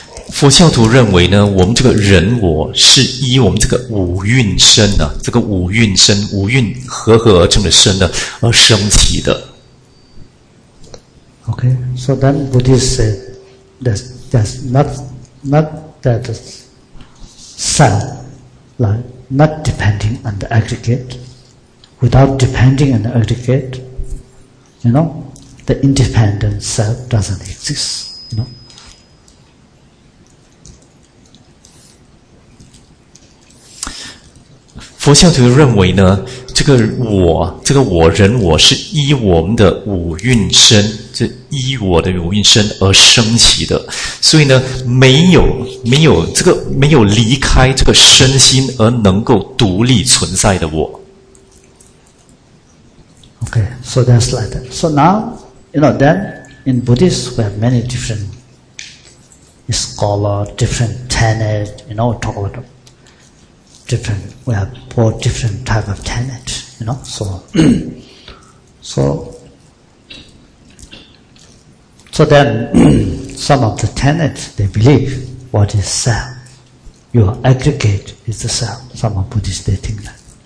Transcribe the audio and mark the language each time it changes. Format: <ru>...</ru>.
<zh>佛教徒认为呢，我们这个人我是依我们这个五蕴身呢、啊，这个五蕴身五蕴合而成的身呢而升起的。</zh> <en>Okay, so then Buddhists say that's not that self, like not depending on the aggregate. Without depending on the aggregate, you know, the independent self doesn't exist. You know.</en> <zh>Buddhist 徒认为呢，这个我，这个我人我是依我们的五蕴身，这依我的五蕴身而升起的，所以呢，没有这个没有离开这个身心而能够独立存在的我。</zh> <en>Okay, so that's like that. So now, you know, then in Buddhist we have many different scholar, different tenet, you know, talk about them. Different, we have four different type of tenet, you know, so then some of the tenet, they believe what is self, your aggregate is the self, some of Buddhists, they think that.</en>